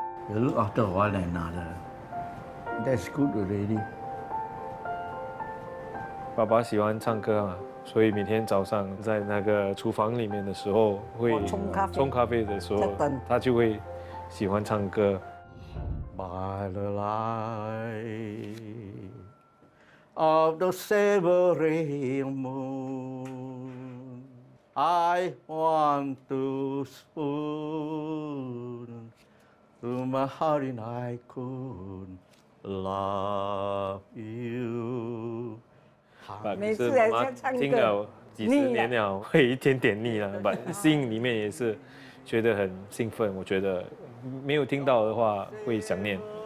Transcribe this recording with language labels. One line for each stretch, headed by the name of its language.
English: You look after one another. That's good already.
Chinese: 爸爸喜欢唱歌啊。所以每天早上在那个厨房里面的时候，会冲咖啡的时候，他就会喜欢唱歌。
English: By the light of the severing moon, I want to spoon to my heart and I could love you.
Chinese: 每次妈妈听了几十年了，会一点点腻了，但心里面也是觉得很兴奋。我觉得没有听到的话会想念。